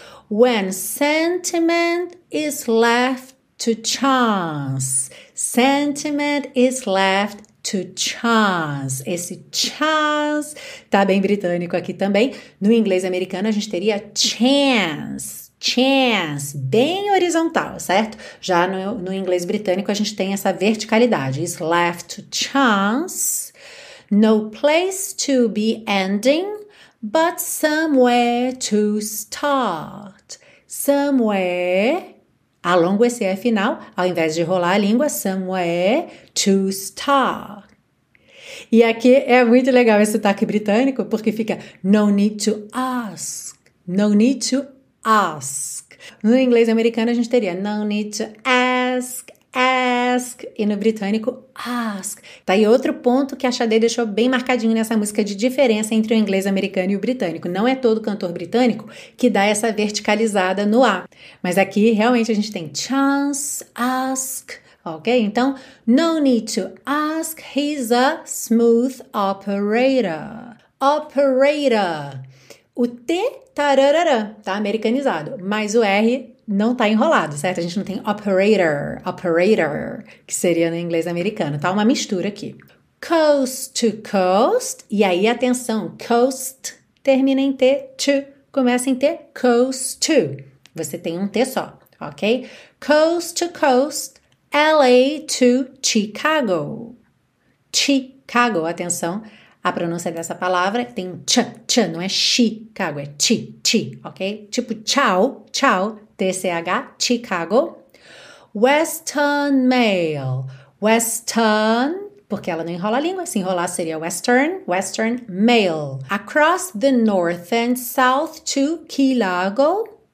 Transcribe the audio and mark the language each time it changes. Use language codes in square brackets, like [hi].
[en] When sentiment is left to chance. Sentiment is left to chance. [pt] Esse chance tá bem britânico aqui também. No inglês americano, a gente teria chance, bem horizontal, certo? Já no inglês britânico, a gente tem essa verticalidade. [en] It's left to chance. No place to be ending, but somewhere to start. [pt] Somewhere, alongo esse é final, ao invés de rolar a língua, [en] somewhere to start. [pt] E aqui é muito legal esse sotaque britânico, porque fica [en] no need to ask, [pt] no need to ask. No inglês americano a gente teria [en] no need to ask, [pt] e no britânico ask. Tá aí outro ponto que a Xadê deixou bem marcadinho nessa música de diferença entre o inglês americano e o britânico. Não é todo cantor britânico que dá essa verticalizada no A. Mas aqui realmente a gente tem chance, ask. Ok? [en] Então, no need to ask, he's a smooth operator. Operator. [pt] O T, tararara, tá americanizado, mas o R não tá enrolado, certo? A gente não tem operator, que seria no inglês americano. Tá uma mistura aqui. [en] Coast to coast, [pt] e aí atenção, coast termina em T, to, começa em T, coast to. Você tem um T só, ok? Coast to coast. [en] LA to Chicago. [pt] Chicago, atenção, a pronúncia dessa palavra tem um ch, ch, não é Chicago, é chi, chi, ok? Tipo tchau, tchau, TCH, Chicago. Western Mail. Western, porque ela não enrola a língua, se enrolar seria Western Mail. [en] Across the North and South to Key Largo.